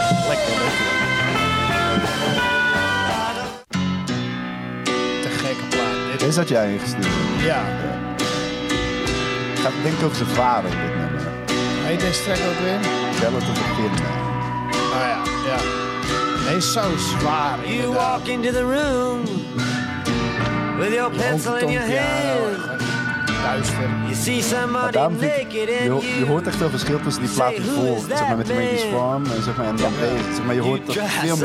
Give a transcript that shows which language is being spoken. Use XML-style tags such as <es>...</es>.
<nl>Lekker, lekker. Te gekke plaat. Deze had jij ingestuurd. Ja. Ik denk over zijn vader, dit nummer. Heet deze track ook weer? Bellen tot het begin. Oh ja, ja. Hij is zo zwaar.</nl> <en>You walk into the room with your pencil in your hand. You see somebody naked in you.</en> <nl>Je hoort echt wel verschil tussen die platen voor, zeg maar, met de Maggie's Farm en zeg maar, en dan deze. Zeg maar, je hoort toch veel meer.</nl>